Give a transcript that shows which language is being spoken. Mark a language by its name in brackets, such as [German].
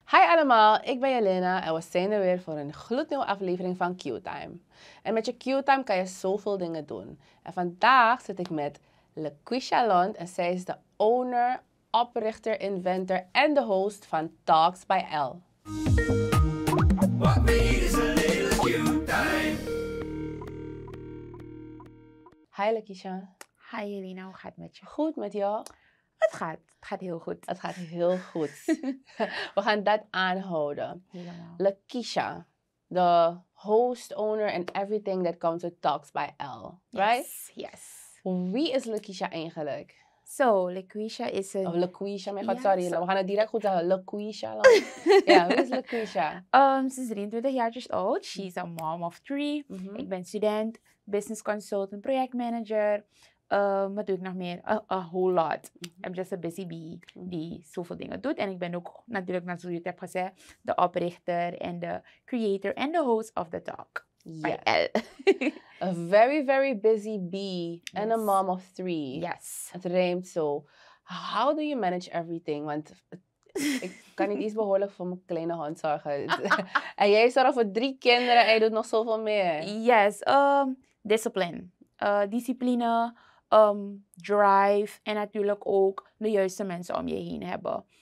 [Dutch] allemaal, ik ben Jelena en we zijn er weer voor een gloednieuwe aflevering van Q-Time. En met je Q-Time kan je zoveel dingen doen. En vandaag zit ik met Laquisha Lont en zij is de owner, oprichter, inventor en de host van Talks by L. [English] What made is a little Q-Time. Hi Laquisha. [Dutch] Hi Jelena, hoe gaat het met je? Goed met jou. Het gaat heel goed. Het gaat heel goed. We gaan dat aanhouden. Helemaal. [English] Laquisha, the host, owner and everything that comes with Talks by L. Right? Yes. [Dutch] Wie is Laquisha eigenlijk? Zo, Laquisha is een... Of Laquisha, mijn god, sorry. We gaan het direct goed zeggen. Laquisha. Ja, wie is Laquisha? Ze is 23 jaar oud. [English] She's a mom of three. [Dutch] Mm-hmm. Ik ben student, business consultant, projectmanager... wat doe ik nog meer? [English] A whole lot. [Dutch] Mm-hmm. [English] I'm just a busy bee [Dutch] die zoveel dingen doet. En ik ben ook natuurlijk, zoals je het hebt gezegd, de oprichter en de creator en de host [English] of the talk. Yes. A very, very busy bee and a mom of three. Yes. [Dutch] Het rijmt zo. [English] How do you manage everything? [Dutch] Want ik kan niet eens behoorlijk voor mijn kleine hand zorgen. En jij zorgt voor drie kinderen en je doet nog zoveel meer. [English] Yes. Discipline. [Dutch] Discipline, drive en natuurlijk ook de juiste mensen om je heen hebben.